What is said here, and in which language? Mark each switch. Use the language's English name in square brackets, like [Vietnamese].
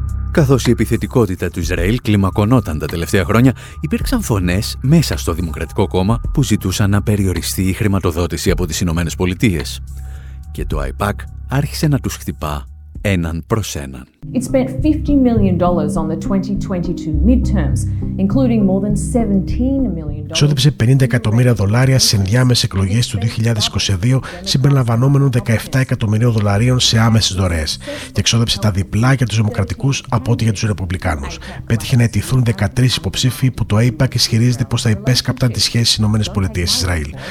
[Greek] Καθώς η επιθετικότητα του Ισραήλ κλιμακωνόταν τα τελευταία χρόνια, υπήρξαν φωνές μέσα στο Δημοκρατικό Κόμμα που ζητούσαν να περιοριστεί η χρηματοδότηση από τις Ηνωμένες Πολιτείες. Και το AIPAC άρχισε να τους χτυπά έναν προς έναν. [English] It spent $50 million on the 2022 midterms, including more than $17 million. [Greek] Ξόδεψε 50 εκατομμύρια δολάρια σε ενδιάμεσες εκλογές του 2022, συμπεριλαμβανόμενων 17 εκατομμυρίων δολαρίων σε άμεσες δωρεές. Και ξόδεψε τα διπλά για τους Δημοκρατικούς από ό,τι για τους Ρεπουμπλικάνους. Πέτυχε να αιτηθούν 13 υποψήφοι που το AIPAC ισχυρίζεται πως θα υπέσκαπταν τις σχέσεις στις ΗΠΑ-Ισραήλ.